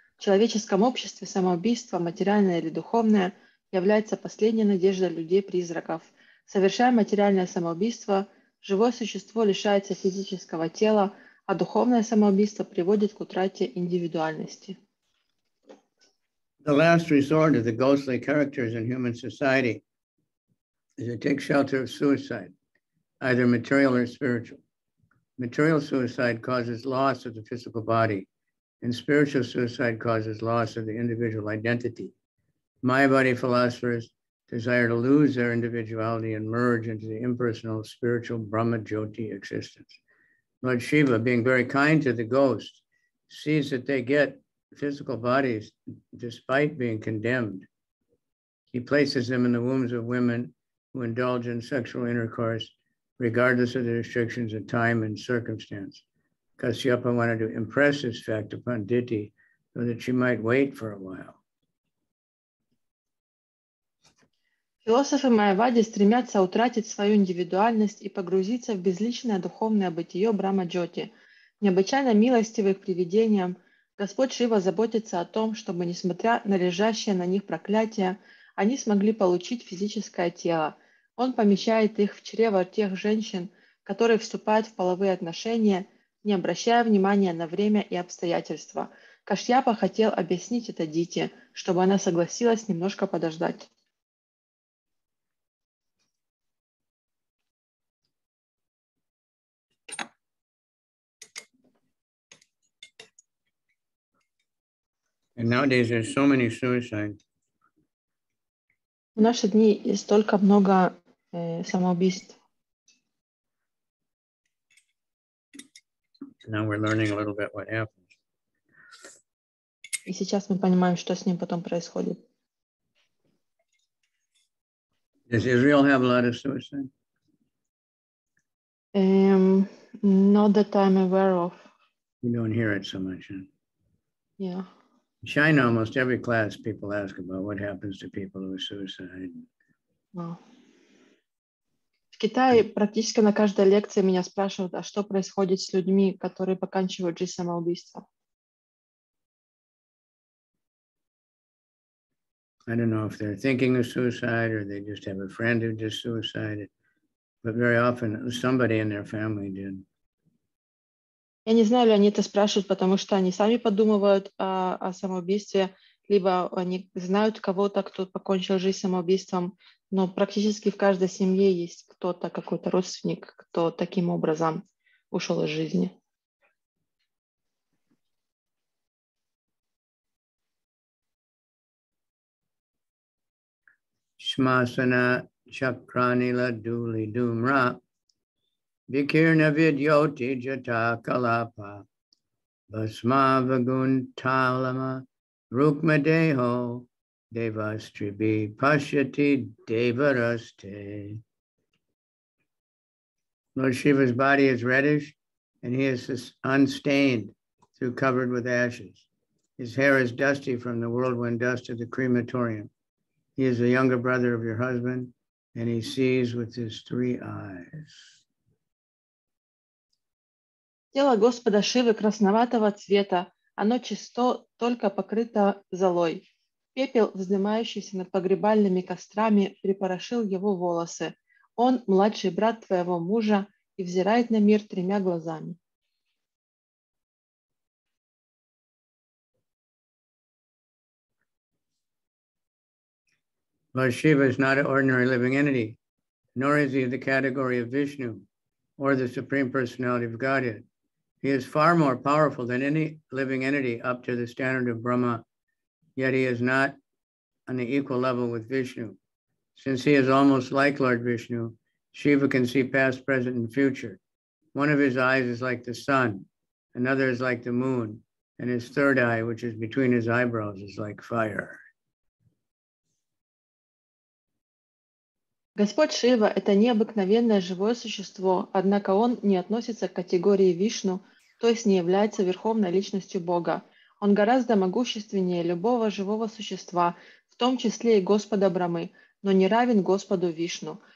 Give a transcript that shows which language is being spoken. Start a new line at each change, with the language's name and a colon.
Russian: В человеческом обществе самоубийство, материальное или духовное, является последней надеждой людей-призраков. Совершая материальное самоубийство, живое существо лишается физического тела, а духовное самоубийство приводит к утрате индивидуальности.
English: The last resort of the ghostly characters in human society is to take shelter of suicide, either material or spiritual. Material suicide causes loss of the physical body, and spiritual suicide causes loss of the individual identity. Mayavadi philosophers desire to lose their individuality and merge into the impersonal spiritual Brahma Jyoti existence. Lord Shiva, being very kind to the ghosts, sees that they get physical bodies despite being condemned. He places them in the wombs of women who indulge in sexual intercourse, regardless of the restrictions of time and circumstance. Kasyapa wanted to impress this fact upon Diti so that she might wait for a while.
Russian: Философы Майявади стремятся утратить свою индивидуальность и погрузиться в безличное духовное бытие Брахма-джоти. Необычайно милостивы к привидениям, Господь Шива заботится о том, чтобы, несмотря на лежащее на них проклятие, они смогли получить физическое тело. Он помещает их в чрево тех женщин, которые вступают в половые отношения, не обращая внимания на время и обстоятельства. Кашьяпа хотел объяснить это Дите, чтобы она согласилась немножко подождать.
English: And nowadays there's so many suicide.
Russian: В наши дни столько много самоубийств.
English: Now we're learning a little bit what happens.
Russian: И сейчас мы понимаем, что с ним потом происходит.
English: Does Israel have a lot of suicide? Not that I'm aware of. You don't hear it so much, huh? Yeah. In China, almost every class, people ask about what happens to people who are suicide. Wow.
Russian: В Китае практически на каждой лекции меня спрашивают, а что происходит с людьми, которые поканчивают жизнь самоубийством?
English: I don't know if they're thinking of suicide or they just have a friend who just suicided, but very often somebody in their family did.
Russian: Я не знаю, ли они это спрашивают, потому что они сами подумывают о самоубийстве, либо они знают кого-то, кто покончил жизнь самоубийством, но практически в каждой семье есть кто-то, какой-то родственник, кто таким образом ушел из жизни.
Sanskrit: Shmasana Chakranila Duli Dumra Vikirna Vidyoti Jata Kalapa Basma Vaguntalama Rukma Deho Devastribi Pashyati Devaraste.
English: Lord Shiva's body is reddish and he is unstained through covered with ashes. His hair is dusty from the whirlwind dust of the crematorium. He is a younger brother of your husband, and he sees with his three eyes.
Russian: Тело Господа Шивы красноватого цвета, оно чисто, только покрыто золой. Пепел, вздымающийся над погребальными кострами, припорошил его волосы. Он младший брат твоего мужа и взирает на мир тремя глазами.
English: Lord Shiva is not an ordinary living entity, nor is he of the category of Vishnu or the Supreme Personality of Godhead. He is far more powerful than any living entity up to the standard of Brahma, yet he is not on the equal level with Vishnu. Since he is almost like Lord Vishnu, Shiva can see past, present, and future. One of his eyes is like the sun, another is like the moon, and his third eye, which is between his eyebrows, is like fire.
Russian: Господь Шива – это необыкновенное живое существо, однако он не относится к категории Вишну, то есть не является верховной личностью Бога. Он гораздо могущественнее любого живого существа, в том числе и Господа Брамы, но не равен Господу Вишну.